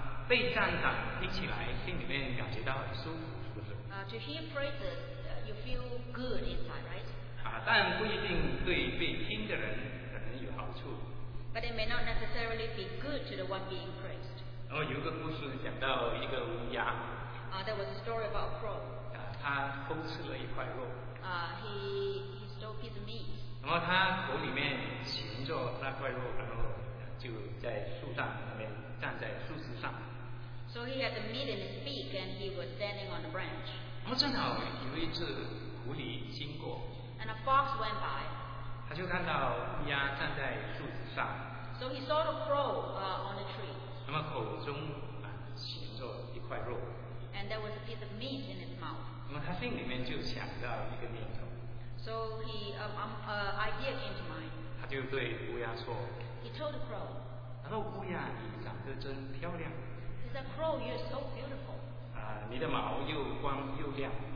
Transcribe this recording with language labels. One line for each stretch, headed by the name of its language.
Chinese: 被赞赏一起来，心里面感觉到很舒服，是不是？
English: To hear praises, you feel good inside, right?
Chinese: 但不一定对被听的人可能有好处。
English: But it may not necessarily be good to the one being praised.
Chinese: 然后有一个故事讲到一个乌鸦。
English: There was a story about a crow.
Chinese: 他偷吃了一块肉。
English: He stole a piece of meat.
Chinese: 然后他口里面衔着那块肉，然后就在树上那边站在树枝上。
English: So he had the meat in his beak and he was standing on a branch.
Chinese: 然后正好有一只狐狸经过。
English: And a fox went by.
Chinese: 他就看到乌鸦站在树枝上。
English: So he saw the crow on the tree.
Chinese: 那么口中衔着一块肉。
English: And there was a piece of meat in his mouth.
Chinese: 那么他心里面就想到一个念头。
English: So he idea came to mind.
Chinese: 他就对乌鸦说。
English: He told the crow.
Chinese: 他说乌鸦你长得真漂亮。
English: He said crow you're so beautiful.
Chinese: 你的毛又光又亮。